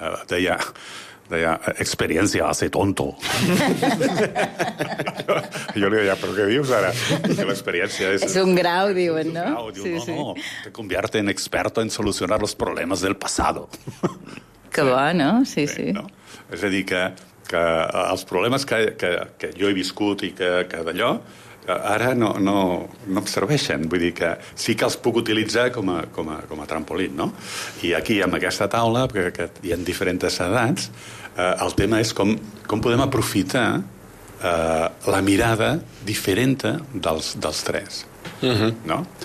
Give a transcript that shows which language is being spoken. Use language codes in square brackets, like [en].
[ca] Deia, experiència [es] hace tonto. [ca] Jo li deia, però què dius ara? L'experiència és... És un grau, diuen, no? [es] Te convierte en experto en solucionar los problemas del pasado. [ca] Que bo, no? Sí, bé, sí. No? És a dir, que els problemes que jo he viscut i que d'allò, ara no em serveixen. Vull dir que sí que els puc utilitzar com a trampolín, no? I aquí, amb aquesta taula, que hi ha diferents edats, el tema és com podem aprofitar la mirada diferent dels tres, uh-huh. No?